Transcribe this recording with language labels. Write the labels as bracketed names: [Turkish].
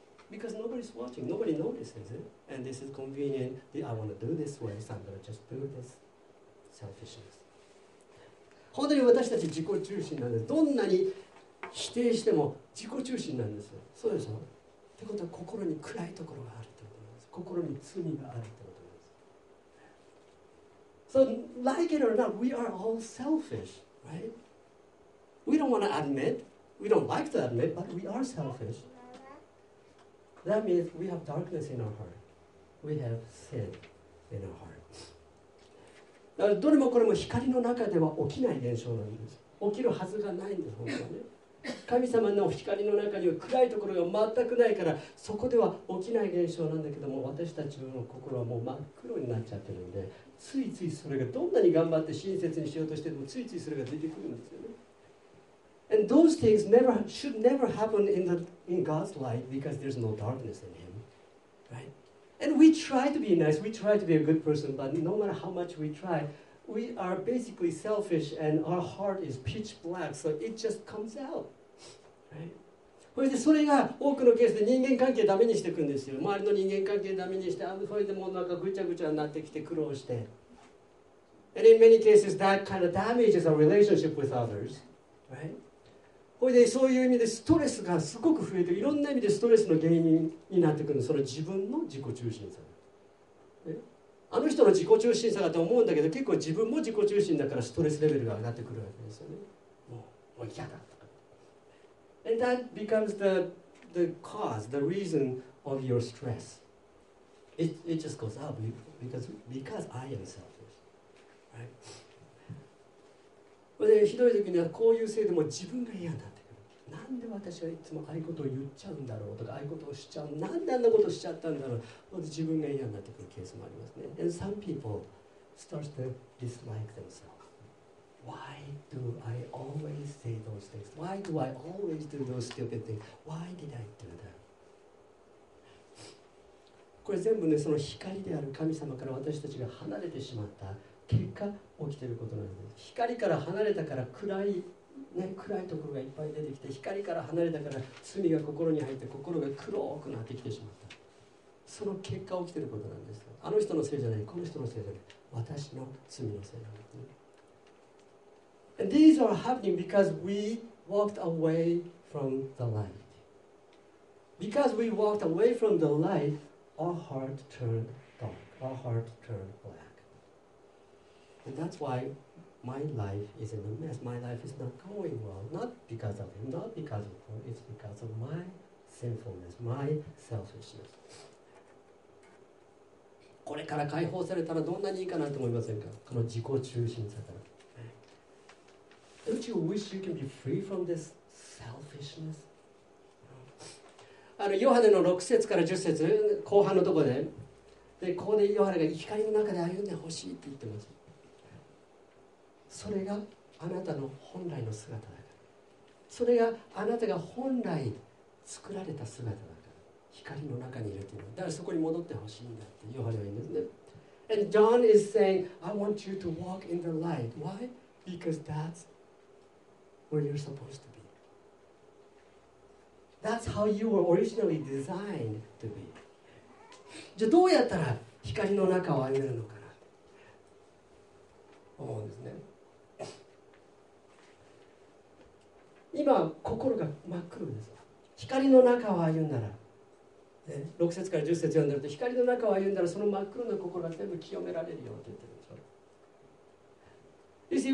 [English] Because nobody's watching, nobody notices it, and this is convenient, I want to do this way, so I'm going to just do this, selfishness. [Japanese] 本当に私たち自己中心なんです。どんなに否定しても自己中心なんですよ。そうでしょ？ってことは心に暗いところがある。心に罪があるってことです。 [English] So, like it or not, we are all selfish, right? We don't want to admit, we don't like to admit, but we are selfish. That means we have darkness in our heart. We have sin in our heart. [Japanese] だからどれもこれも光の中では起きない現象なんです。起きるはずがないんです、本当に。神様の光の中には暗いところが全くないから、そこでは起きない現象なんだけども、私たちの心はもう真っ黒になっちゃってるんで、ついついそれがどんなに頑張って親切にしようとしてもついついそれが出てくるんですよね。 [English] And those things never, should never happen in God's light because there's no darkness in Him, right? And we try to be nice, we try to be a good person, but no matter how much we try, we are basically selfish and our heart is pitch black, so it just comes out. Right? [Japanese] それでそれが多くのケースで人間関係ダメにしていくんですよ。周りの人間関係ダメにして、それでもうなんかぐちゃぐちゃになってきて苦労して。 [English] And in many cases, that kind of damages our relationship with others. Right? [Japanese] それでそういう意味でストレスがすごく増えて、いろんな意味でストレスの原因になってくるの。その自分の自己中心さ。あの人の自己中心さだと思うんだけど、結構自分も自己中心だからストレスレベルが上がってくるわけですよね。もう嫌だ。 [English] And that becomes the cause, the reason of your stress. It just goes up because I am selfish. Right? [Japanese] で、ひどい時にはこういうせいでも自分が嫌になってくる。なんで私はいつもああいうことを言っちゃうんだろうとか、ああいうことをしちゃう、なんであんなことをしちゃったんだろう。自分が嫌になってくるケースもありますね。 [English] And some people start to dislike themselves. Why do I always say those things? Why do I always do those stupid things? Why did I do that? [Japanese] これ全部ね、その光である神様から私たちが離れてしまった結果起きていることなんです。光から離れたから暗い、ね、暗いところがいっぱい出てきて、光から離れたから罪が心に入って心が黒くなってきてしまった。その結果起きていることなんです。あの人のせいじゃない、この人のせいじゃない、私の罪のせいなんです。 [English] And these are happening because we walked away from the light. Because we walked away from the light, our heart turned dark. Our heart turned black. And that's why my life is in a mess. My life is not going well. Not because of him, not because of her. It's because of my sinfulness, my selfishness. [Japanese] これから解放されたらどんなにいいかなと思いませんか？この自己中心さから。 [English] Don't you wish you can be free from this selfishness? [Japanese] あのヨハネの6節から10節後半のとこで、でここでヨハネが光の中で歩んでほしいって言ってます。それがあなたの本来の姿だから。それがあなたが本来作られた姿だから。光の中にいるっていうのは。だからそこに戻ってほしいんだってヨハネは言うんですね。 [English] And John is saying, I want you to walk in the light. Why? Because that'sWhere you're supposed to be. That's how you were originally designed to be. [Japanese] じゃあどうやったら光の中を歩めるのかな。思うんですね。今心が真っ黒です。光の中を歩んだら、ね、6節から10節読んでると光の中を歩んだらその真っ黒な心が全部清められるよって言ってるんでしょ。